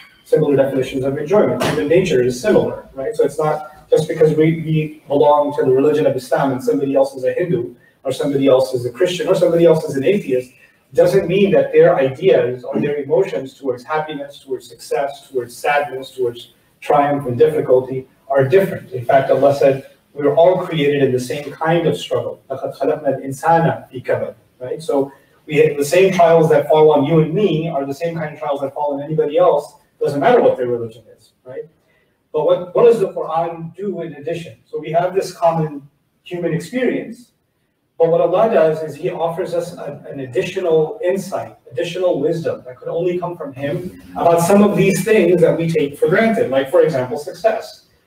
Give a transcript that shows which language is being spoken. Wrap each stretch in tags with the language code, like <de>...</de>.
<en>Similar definitions of enjoyment. Human nature is similar, right? So it's not just because we belong to the religion of Islam and somebody else is a Hindu, or somebody else is a Christian, or somebody else is an atheist, doesn't mean that their ideas or their emotions towards happiness, towards success, towards sadness, towards triumph and difficulty are different. In fact, Allah said, we're all created in the same kind of struggle.</en> <ar>لَقَدْ خَلَقْنَا الْإِنسَانَ فِي كَبَدٍ Right?</ar> <en>So we have the same trials that fall on you and me are the same kind of trials that fall on anybody else. Doesn't matter what their religion is, right? But what does the Quran do in addition? So we have this common human experience, but what Allah does is He offers us an additional insight, additional wisdom that could only come from Him about some of these things that we take for granted, like for example, success.</en>